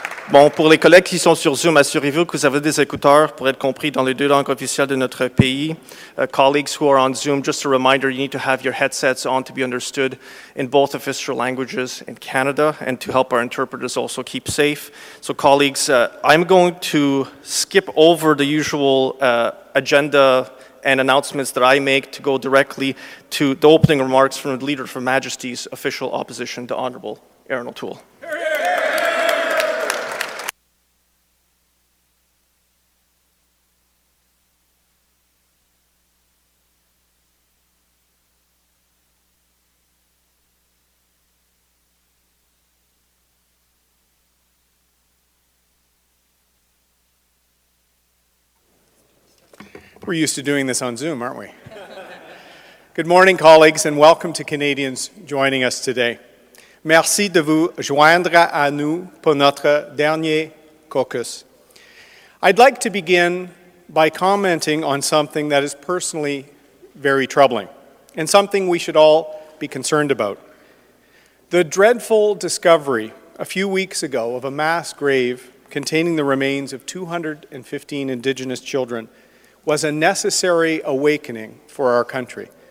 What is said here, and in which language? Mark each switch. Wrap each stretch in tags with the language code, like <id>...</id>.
<fr>Bon, pour les collègues qui sont sur Zoom, assurez-vous que vous avez des écouteurs pour être compris dans les deux langues officielles de notre pays.</fr> <en>Colleagues who are on Zoom, just a reminder, you need to have your headsets on to be understood in both official languages in Canada and to help our interpreters also keep safe. So colleagues, I'm going to skip over the usual agenda and announcements that I make to go directly to the opening remarks from the Leader of Her Majesty's official opposition, the Honorable Aaron O'Toole. We're used to doing this on Zoom, aren't we? Good morning, colleagues, and welcome to Canadians joining us today.</en> <fr>Merci de vous joindre à nous pour notre dernier caucus.</fr> <en>I'd like to begin by commenting on something that is personally very troubling and something we should all be concerned about. The dreadful discovery a few weeks ago of a mass grave containing the remains of 215 Indigenous children was a necessary awakening for our country.</en>